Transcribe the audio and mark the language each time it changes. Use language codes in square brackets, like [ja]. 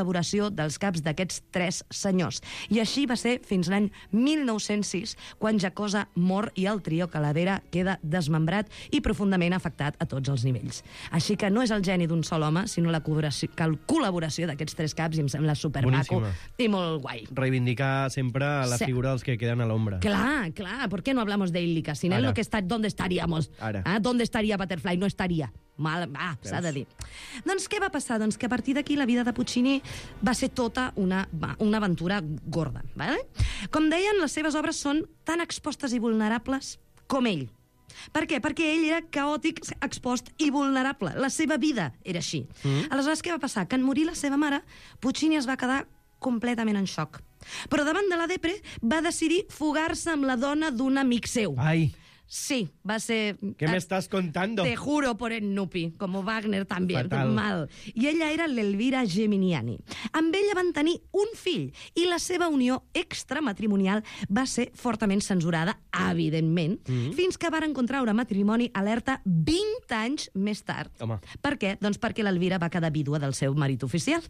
[ca] col·laboració dels caps d'aquests tres senyors. I així va ser fins l'any 1906, quan Jacosa mor i el trio Calavera queda desmembrat i profundament afectat a tots els nivells. Així que no és el geni d'un sol home, sinó la col·laboració d'aquests tres caps, i em sembla supermaco. Boníssima. I molt guai. Reivindicar sempre la figura dels que queden a l'ombra. Clar, clar. [es] ¿Por qué no hablamos de Illica? Sin él, ¿dónde estaríamos? Ah, ¿dónde estaría Butterfly? [ca] No estaría. Mal, va, s'ha de dir. Doncs què va passar? Doncs que a partir d'aquí la vida de Puccini va ser tota una aventura gorda. ¿Vale? Com deien, les seves obres són tan expostes i vulnerables com ell. Per què? Perquè ell era caòtic, expost i vulnerable. La seva vida era així. Mm. Aleshores, què va passar? Que en morir la seva mare, Puccini es va quedar completament en xoc. Però davant de la depre va decidir fugar-se amb la dona d'un amic seu. Ai. Sí, va ser... [es] ¿Qué me estás contando? Te juro por el nupi, como Wagner también. [ca] Fatal. Mal. I ella era l'Elvira Geminiani. Amb ella van tenir un fill i la seva unió extramatrimonial va ser fortament censurada, evidentment, fins que van contraure matrimoni alerta 20 anys més tard. Home. Per què? Doncs perquè l'Elvira va quedar vídua del seu marit oficial.